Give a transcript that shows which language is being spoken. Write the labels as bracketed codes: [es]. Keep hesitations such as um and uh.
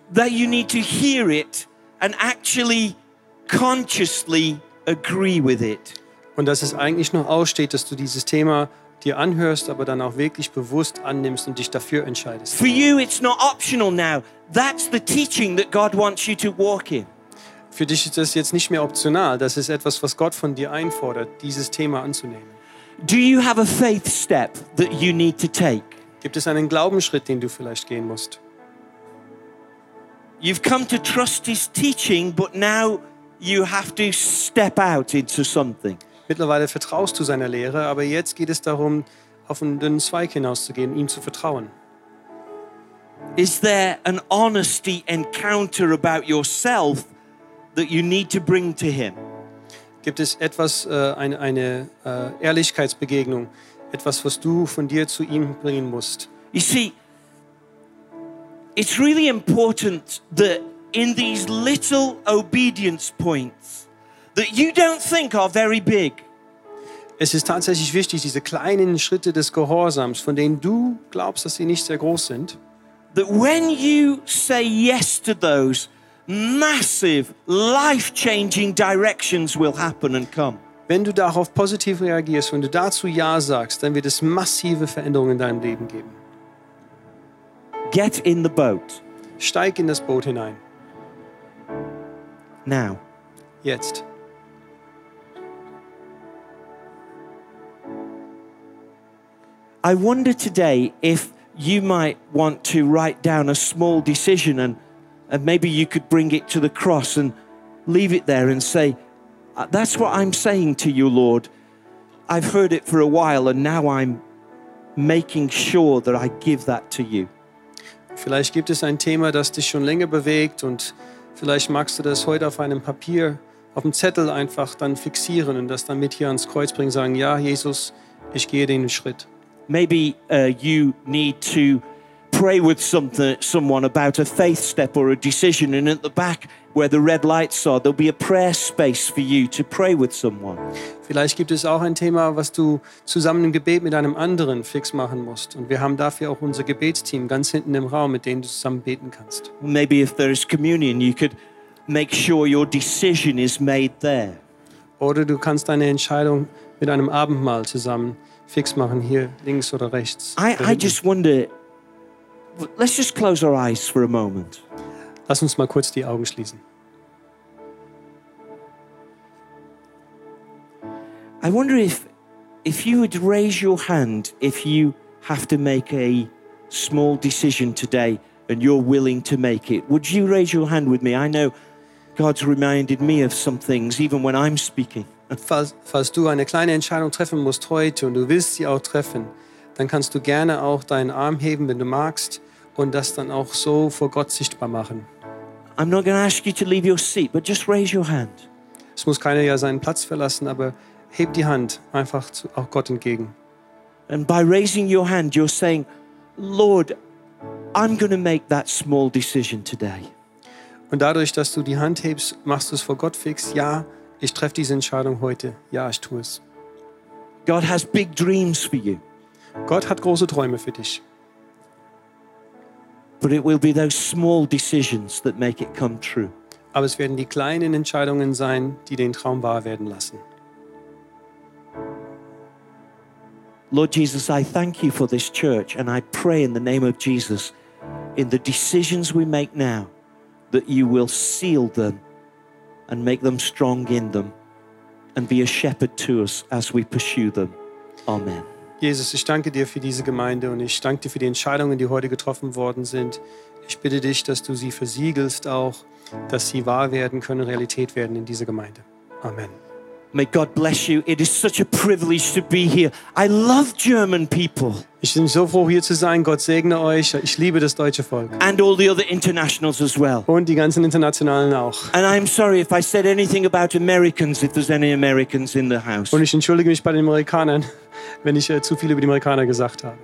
[en] That you need to hear it and actually consciously agree with it. [de] Und dass es eigentlich noch aussteht, dass du dieses Thema dir anhörst, aber dann auch wirklich bewusst annimmst und dich dafür entscheidest. [en] For you it's not optional now. That's the teaching that God wants you to walk in. [de] Für dich ist das jetzt nicht mehr optional, das ist etwas, was Gott von dir einfordert, dieses Thema anzunehmen. [en] Do you have a faith step that you need to take? [de] Gibt es einen Glaubensschritt, den du vielleicht gehen musst? [en] You've come to trust his teaching, but now you have to step out into something. [de] Mittlerweile vertraust du seiner Lehre, aber jetzt geht es darum, auf einen Zweig hinauszugehen, ihm zu vertrauen. [en] Is there an honesty encounter about yourself that you need to bring to him? [de] gibt es etwas, äh, eine, eine uh, Ehrlichkeitsbegegnung, etwas, was du von dir zu ihm bringen musst. [en] You see, it's really important that in these little obedience points that you don't think are very big. [de] Es ist tatsächlich wichtig, diese kleinen Schritte des Gehorsams, von denen du glaubst, dass sie nicht sehr groß sind. Dass wenn du ja zu denen sagst, [en] massive life-changing directions will happen and come. [de] Wenn du darauf positiv reagierst, wenn du dazu ja sagst, dann wird es massive Veränderungen in deinem Leben geben. [en] Get in the boat. [de] Steig in das Boot hinein. [en] Now. [de] Jetzt. [en] I wonder today if you might want to write down a small decision and and maybe you could bring it to the cross and leave it there and say, That's what I'm saying to you, Lord. I've heard it for a while and now I'm making sure that I give that to you. [de] Vielleicht gibt es ein Thema, das dich schon länger bewegt und vielleicht magst du das heute auf einem Papier, auf dem Zettel einfach dann fixieren und das dann mit hier ans Kreuz bringen, sagen, ja, Jesus, ich gehe den Schritt. [en] Maybe uh, you need to pray with something, someone about a faith step or a decision. And at the back where the red lights are, there'll be a prayer space for you to pray with someone. [de] Vielleicht gibt es auch ein Thema, was du zusammen im Gebet mit einem anderen fix machen musst. Und wir haben dafür auch unser Gebetsteam ganz hinten im Raum, mit denen du zusammen beten kannst. [en] Maybe if there is communion, you could make sure your decision is made there. [de] Oder du kannst deine Entscheidung mit einem Abendmahl zusammen fix machen, hier links oder rechts. [en] I, I just wonder let's just close our eyes for a moment. [de] Lass uns mal kurz die Augen schließen. [en] I wonder if if you would raise your hand if you have to make a small decision today and you're willing to make it. Would you raise your hand with me? I know God's reminded me of some things even when I'm speaking. [de] falls, falls du eine kleine Entscheidung treffen musst heute und du willst sie auch treffen, dann kannst du gerne auch deinen Arm heben, wenn du magst. und das dann auch so vor Gott sichtbar machen. Seat, es muss keiner ja seinen Platz verlassen, aber heb die Hand einfach auch Gott entgegen. [en] Your hand, saying, [de] und dadurch, dass du die Hand hebst, machst du es vor Gott fix. Ja, ich treffe diese Entscheidung heute. Ja, ich tue es. [en] God has big dreams for you. [de] Gott hat große Träume für dich. [en] but it will be those small decisions that make it come true. [de] Aber es werden die kleinen Entscheidungen sein, die den Traum wahr werden lassen. [en] Lord Jesus, I thank you for this church and I pray in the name of Jesus in the decisions we make now that you will seal them and make them strong in them and be a shepherd to us as we pursue them. Amen. [de] Jesus, ich danke dir für diese Gemeinde und ich danke dir für die Entscheidungen, die heute getroffen worden sind. Ich bitte dich, dass du sie versiegelst auch, dass sie wahr werden können, Realität werden in dieser Gemeinde. [en] Amen. May God bless you. It is such a privilege to be here. I love German people. [de] Ich bin so froh hier zu sein. Gott segne euch. Ich liebe das deutsche Volk. [en] And all the other internationals as well. [de] Und die ganzen internationalen auch. [en] And I'm sorry if I said anything about Americans if there's any Americans in the house. [de] Und ich entschuldige mich bei den Amerikanern, wenn ich äh, zu viel über die Amerikaner gesagt habe.